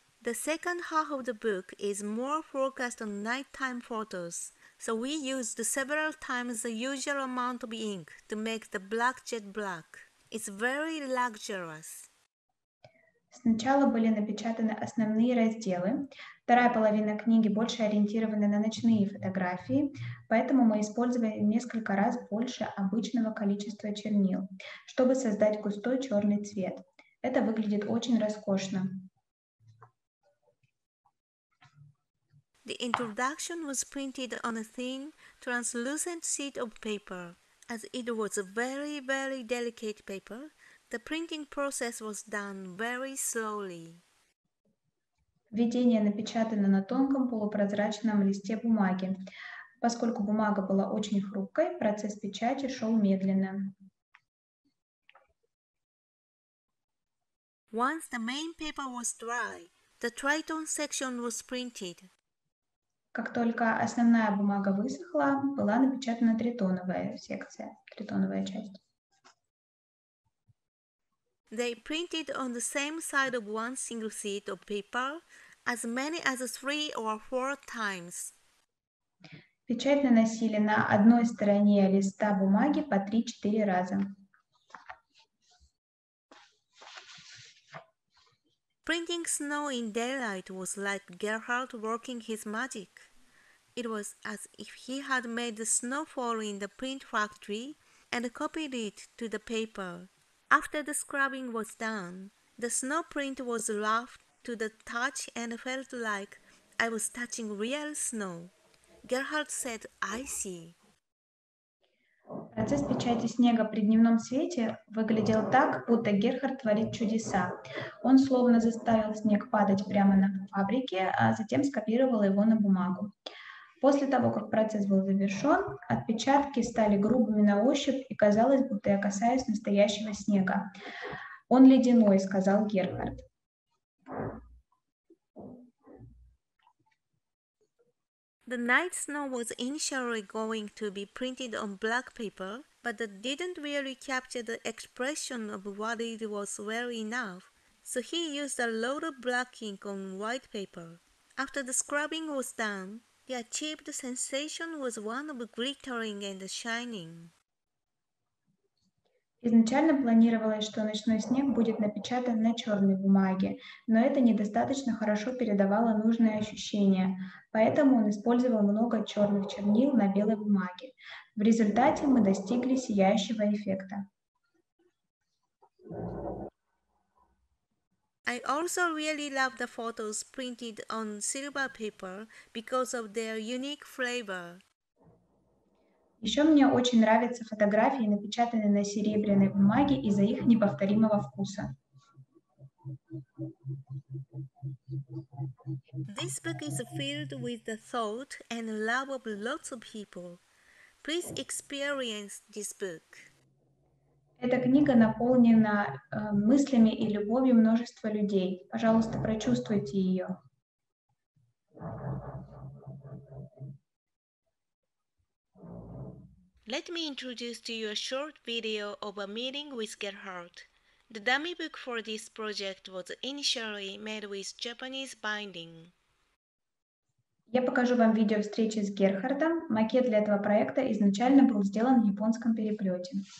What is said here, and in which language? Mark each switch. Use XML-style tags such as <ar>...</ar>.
<en>The second half of the book is more focused on nighttime photos, so we used several times the usual amount of ink to make the black jet black. It's very luxurious.</en> <ru>Сначала были напечатаны основные разделы. Вторая половина книги больше ориентирована на ночные фотографии, поэтому мы использовали несколько раз больше обычного количества чернил, чтобы создать густой черный цвет. Это выглядит очень роскошно.</ru> <en>The introduction was printed on a thin, translucent sheet of paper. As it was a very, very delicate paper, the printing process was done very slowly.</en> <ru>Введение напечатано на тонком полупрозрачном листе бумаги. Поскольку бумага была очень хрупкой, процесс печати шел медленно.</ru> <en>Once the main paper was dry, the tritone section was printed.</en> <ru>Как только основная бумага высохла, была напечатана тритоновая секция, тритоновая часть.</ru> <en>They printed on the same side of one single sheet of paper as many as three or four times.</en> <ru>Печать наносили на одной стороне листа бумаги по 3-4 раза.</ru> <en>Printing snow in daylight was like Gerhard working his magic. It was as if he had made the snow fall in the print factory and copied it to the paper. After the scrubbing was done, the snow print was rough to the touch and felt like I was touching real snow. Gerhard said, "I see."</en> <ru>Процесс печати снега при дневном свете выглядел так, будто Герхард творит чудеса. Он словно заставил снег падать прямо на фабрике, а затем скопировал его на бумагу. После того, как процесс был завершен, отпечатки стали грубыми на ощупь, и казалось, будто я касаюсь настоящего снега. Он ледяной, сказал Герхард.</ru> <en>The night snow was initially going to be printed on black paper, but that didn't really capture the expression of what it was well enough, so he used a load of black ink on white paper. After the scrubbing was done, the achieved sensation was one of glittering and shining.</en> <ru>Изначально планировалось, что ночной снег будет напечатан на черной бумаге, но это недостаточно хорошо передавало нужные ощущения, поэтому он использовал много черных чернил на белой бумаге. В результате мы достигли сияющего эффекта.</ru> <en>I also really love the photos printed on silver paper because of their unique flavor.</en> <ru>Еще мне очень нравятся фотографии, напечатанные на серебряной бумаге из-за их неповторимого вкуса.</ru> <en>This book is filled with the thought and love of lots of people. Please experience this book.</en> <ru>Эта книга наполнена мыслями и любовью множества людей. Пожалуйста, прочувствуйте ее.</ru> <en>Let me introduce to you a short video of a meeting with Gerhard. The dummy book for this project was initially made with Japanese binding.</en> <ru>Я покажу вам видео встречи с Герхардом. Макет для этого проекта изначально был сделан в японском переплете.</ru>